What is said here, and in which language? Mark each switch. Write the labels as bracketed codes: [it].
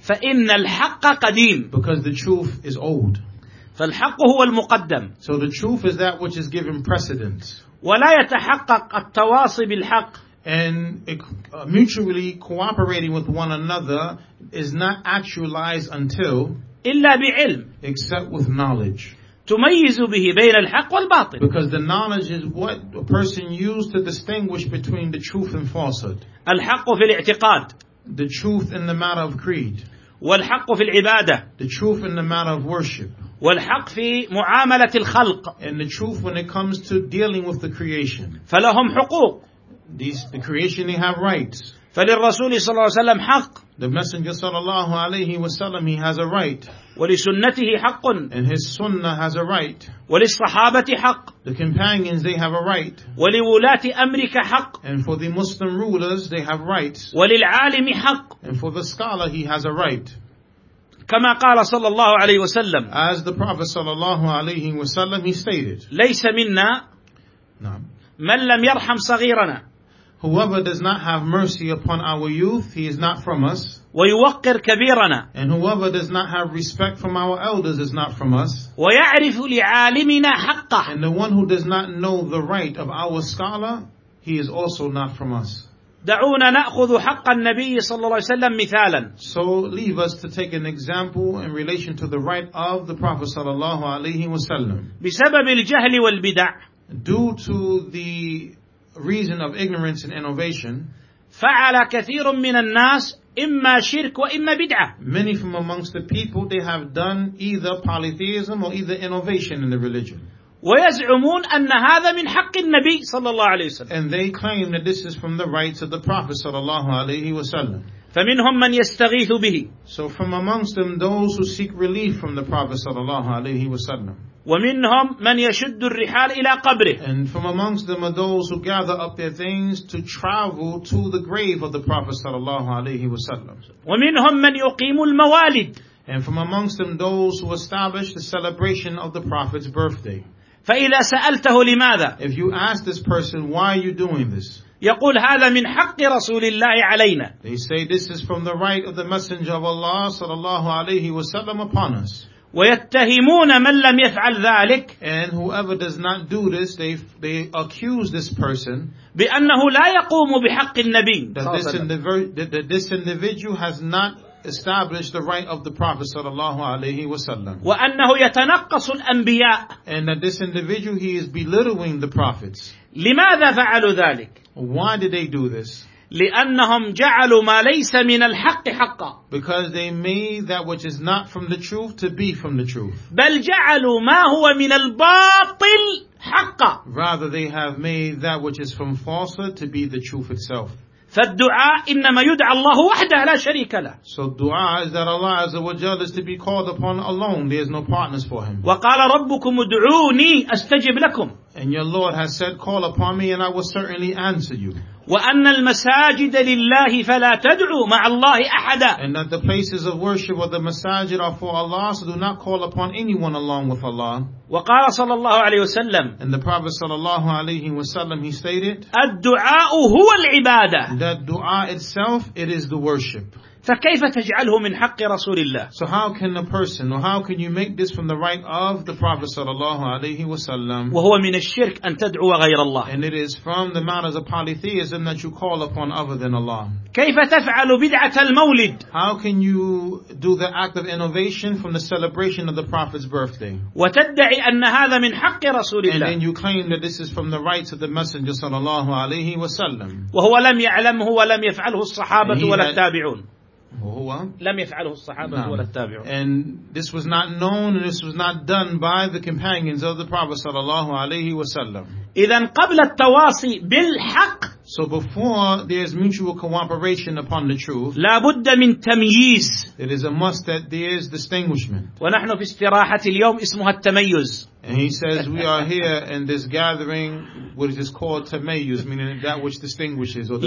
[ar] فإن الحق قديم. [en] Because the truth is old. [ar] فالحق هو المقدم. [en] So the truth is that which is given precedence. [ar] ولا يتحقق التواصي بالحق. [en] And mutually cooperating with one another is not actualized until [ar] إلا بعلم. [en] Except with knowledge. [ar] تميز به بين الحق والباطل. [en] Because the knowledge is what a person used to distinguish between the truth and falsehood. [ar] الحق في الاعتقاد. [en] The truth in the matter of creed. [ar] والحق في العبادة. [en] The truth in the matter of worship. [ar] والحق في معاملة الخلق. [en] And the truth when it comes to dealing with the creation. [ar] فلهم حقوق. [en] The creation they have rights. [ar] فللرسول صلى الله عليه وسلم حق. [en] The Messenger [ar] صلى الله عليه وسلم [en] he has a right. [ar] ولسنته حق. [en] And his sunnah has a right. [ar] وللصحابة حق. [en] The companions they have a right. [ar] ولولاة أمرك حق. [en] And for the Muslim rulers they have rights. [ar] وللعالم حق. [en] And for the scholar he has a right. [ar] كما قال صلى الله عليه وسلم. [en] As the Prophet [ar] صلى الله عليه وسلم [en] he stated. [ar] ليس منا. نعم. من لم يرحم صغيرنا. [en] Whoever does not have mercy upon our youth, he is not from us. [ar] ويوقر كبيرنا. [en] And whoever does not have respect from our elders is not from us. [ar] ويعرف لعالمنا حقه. [en] And the one who does not know the right of our scholar, he is also not from us. [ar] دعونا نأخذ حق النبي صلى الله عليه وسلم مثالا. [en] So leave us to take an example in relation to the right of the Prophet [ar] صلى الله عليه وسلم. بسبب الجهل والبدع. [en] Due to the reason of ignorance and innovation, [ar] فعل كثير من الناس إما شرك وإما بدعة. [en] Many from amongst the people they have done either polytheism or either innovation in the religion. [ar] ويزعمون أن هذا من حق النبي صلى الله عليه وسلم. [en] And they claim that this is from the rights of the Prophet [ar] صلى الله عليه وسلم. فمنهم من يستغيث به. [en] So from amongst them those who seek relief from the Prophet [ar] صلى الله عليه وسلم. ومنهم من يشد الرحال إلى قبره. [en] And from amongst them are those who gather up their things to travel to the grave of the Prophet [ar] صلى الله عليه وسلم. ومنهم من يقيم الموالد. [en] And from amongst them those who establish the celebration of the Prophet's birthday. [ar] فإذا سألته لماذا. [en] If you ask this person why are you doing this. [ar] يقول هذا من حق رسول الله علينا. [en] They say this is from the right of the Messenger of Allah [ar] صلى الله عليه وسلم [en] upon us. [ar] ويتهمون من لم يفعل ذلك. [en] And whoever does not do this, they accuse this person. [ar] بأنه لا يقوم بحق النبي. [en] That this individual has not established the right of the Prophet [ar] صلى الله عليه وسلم. وأنه يتنقص الأنبياء. [en] And that this individual he is belittling the prophets. [ar] لماذا فعلوا ذلك؟ [en] Why did they do this? [ar] لأنهم جعلوا ما ليس من الحق حقا. [en] Because they made that which is not from the truth to be from the truth. [ar] بل جعلوا ما هو من الباطل حقا. [en] Rather they have made that which is from falsehood to be the truth itself. [ar] فالدعاء إنما يدعى الله وحده لا شريك له. [en] So الدعاء is that Allah [ar] عز وجل [en] is to be called upon alone. There is no partners for him. [ar] وقال ربكم ادعوني أستجب لكم. [en] And your Lord has said, call upon me and I will certainly answer you. [ar] وأن المساجد لله فلا تدعوا مع الله أحدا. [en] And that the places of worship or the masajid are for Allah, so do not call upon anyone along with Allah. [ar] وقال صلى الله عليه وسلم. [en] And the Prophet [ar] صلى الله عليه وسلم [en] he stated. [ar] الدعاء هو العبادة. [en] That dua itself it is the worship. [ar] فكيف تجعله من حق رسول الله؟ [en] So how can a person or how can you make this from the right of the Prophet [ar] صلى الله عليه وسلم؟ وهو من الشرك أن تدعو غير الله. [en] And it is from the matters of polytheism that you call upon other than Allah. [ar] كيف تفعل بدعة المولد؟ [en] How can you do the act of innovation from the celebration of the Prophet's birthday؟ [ar] وتدعي أن هذا من حق رسول الله. [en] And then you claim that this is from the rights of the Messenger [ar] صلى الله عليه وسلم. وهو لم يعلمه ولم يفعله الصحابة ولا التابعون. وهو لم يفعله الصحابة نعم. ولا التابعون. [en] And this was not known and this was not done by the companions of the Prophet [ar] صلى الله عليه وسلم. إذن قبل التواصي بالحق. [en] So before there is mutual cooperation upon the truth. [ar] لا بد من تمييز. [en] It is a must that there is distinguishment. [ar] ونحن في استراحة اليوم اسمها التميز. [en] And he says we are here in this gathering which is called tamayyuz, meaning that which distinguishes or the